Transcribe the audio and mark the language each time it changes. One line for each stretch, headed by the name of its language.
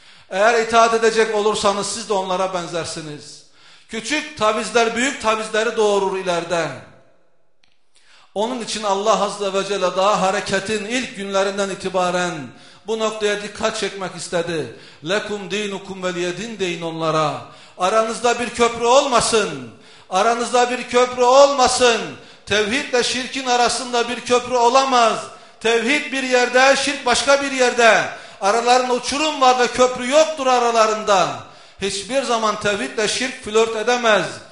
Turkish: Eğer itaat edecek olursanız siz de onlara benzersiniz. Küçük tavizler büyük tavizleri doğurur ileride. Onun için Allah Azze ve Celle daha hareketin ilk günlerinden itibaren bu noktaya dikkat çekmek istedi.
Arabic: لَكُمْ دِينُكُمْ وَلِيَدِينَ
Turkish: deyin onlara. Aranızda bir köprü olmasın. Aranızda bir köprü olmasın. Tevhidle şirkin arasında bir köprü olamaz. Tevhid bir yerde, şirk başka bir yerde. Aralarında uçurum var ve köprü yoktur aralarında. Hiçbir zaman tevhidle şirk flört edemez.